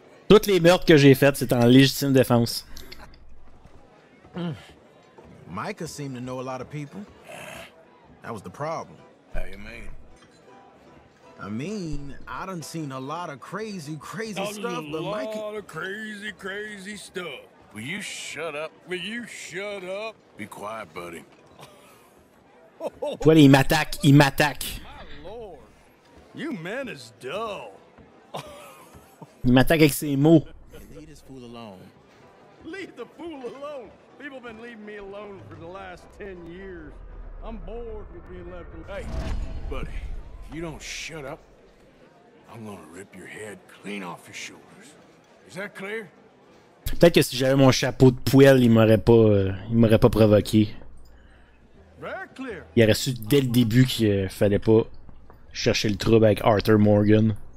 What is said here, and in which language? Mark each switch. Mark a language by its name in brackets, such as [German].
[French] Toutes les meurtres que j'ai faites, c'est en légitime défense. [English] Micah seemed to know a lot of people. That was the problem. How you mean? I mean, I done seen a lot of crazy stuff, but Micah... A lot of crazy stuff. Will you shut up? Will you shut up? Be quiet, buddy. Well, he [French] m'attaque. [English] My lord, you men is dull. [French] Il m'attaque avec ses mots. [English] Leave this fool alone. Leave the fool alone. People been leaving me alone for the last 10 years. I'm bored with being left alone. Hey, buddy, if you don't shut up, I'm gonna rip your head clean off your shoulders. Is that clear? [French] Peut-être que si j'avais mon chapeau de poêle, il m'aurait pas provoqué. Il aurait su dès le début qu'il fallait pas chercher le trouble avec Arthur Morgan.